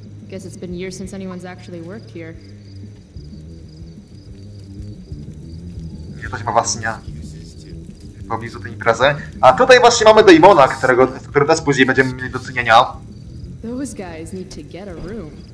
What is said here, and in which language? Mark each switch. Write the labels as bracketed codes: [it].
[en] Guess it's been years since anyone's actually worked here. [pl] Nie, to się ma właśnie w pobliżu tej imprezy. A tutaj właśnie mamy Damona, którego też później będziemy mieli do czynienia. [en] Those guys need to get a room.